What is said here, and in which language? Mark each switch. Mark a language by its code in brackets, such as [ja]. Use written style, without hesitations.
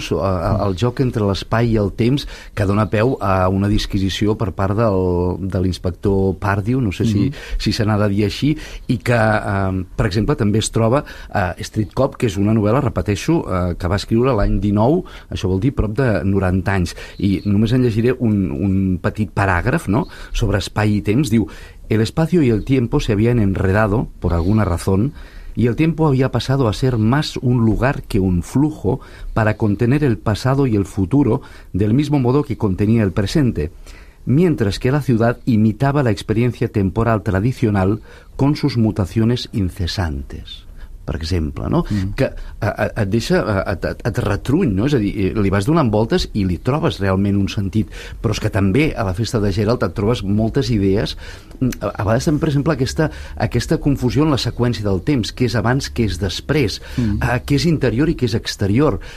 [ca] El joc entre l'espai i el temps, que dona peu a una disquisició per part de l'inspector Pardew, no sé si se n'ha de dir així, i que, per exemple, també es troba a Street Cop, que és una novel·la, repeteixo, que va escriure l'any 19, això vol dir prop de 90 anys, i només en llegiré un petit paràgraf, no?, sobre espai i temps. [es] Diu: el espacio y el tiempo se habían enredado por alguna razón, y el tiempo había pasado a ser más un lugar que un flujo para contener el pasado y el futuro del mismo modo que contenía el presente, mientras que la ciudad imitaba la experiencia temporal tradicional con sus mutaciones incesantes. [ca] per exemple, no? Que et deixa, et retruny, no? És a dir, li vas donant voltes i li trobes realment un sentit, però és que també a la festa de Gerald et trobes moltes idees, a vegades també, per exemple, aquesta confusió en la seqüència del temps, què és abans, què és després, què és interior i què és exterior.